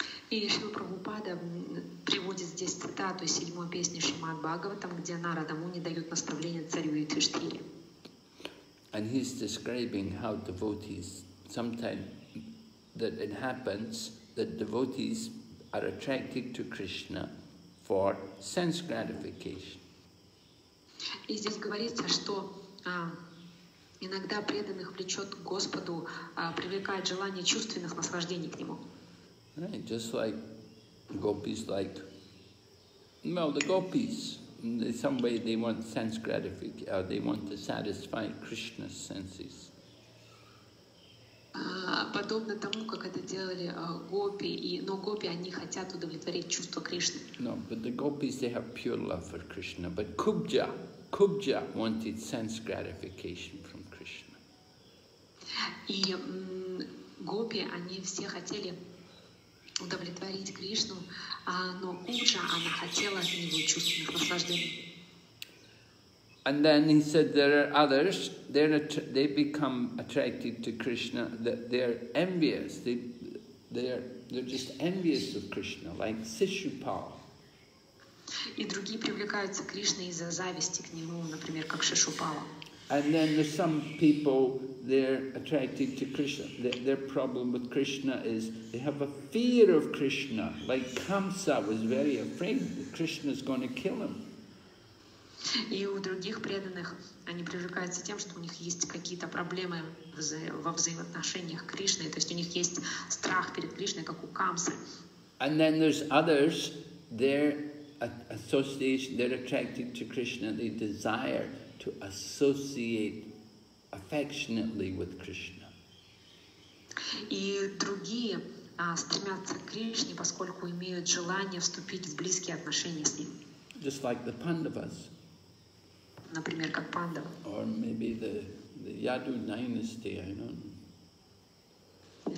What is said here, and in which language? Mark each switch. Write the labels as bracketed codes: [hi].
[ru] И Шрила Прабхупада приводит здесь цитату из седьмой песни Шримад Бхагаватам, где Нарада Муни дает наставление царю Юдхиштхире. [en] And he's describing how devotees sometimes that it happens. That devotees are attracted to Krishna for sense gratification. [ru] И здесь говорится, что иногда преданных влечет к Господу, привлекает желание чувственных наслаждений к Нему. [en] Right, just like gopis, like, well, the gopis, in some way they want sense gratification, they want to satisfy Krishna's senses. [ru] Подобно тому, как это делали гопи, но гопи, они хотят удовлетворить чувство Кришны. [en] No, but the gopis, they have pure love for Krishna. But Kubja wanted sense gratification from Krishna. [ru] И гопи, они все хотели удовлетворить Кришну, но Кубджа, она хотела от него чувственных наслаждений. [en] And then he said, there are others, they become attracted to Krishna, they're envious, they're just envious of Krishna, like Shishupal. [ru] И другие привлекаются к Кришне из-за зависти к нему, например, как Шишупала. [en] And then there's some people, they're attracted to Krishna, their problem with Krishna is they have a fear of Krishna, like Kamsa was very afraid that Krishna is going to kill him. [ru] И у других преданных они привлекаются тем, что у них есть какие-то проблемы во взаимоотношениях с Кришной, то есть у них есть страх перед Кришной, как у Камсы. [en] And then there's others, their association, they're attracted to Krishna, they desire to associate affectionately with Krishna. [ru] И другие стремятся к Кришне, поскольку имеют желание вступить в близкие отношения с Ним. [en] Just like the Pandavas. [ru] Например, как Пандава. [en] Or maybe the Yadu dynasty, I don't know.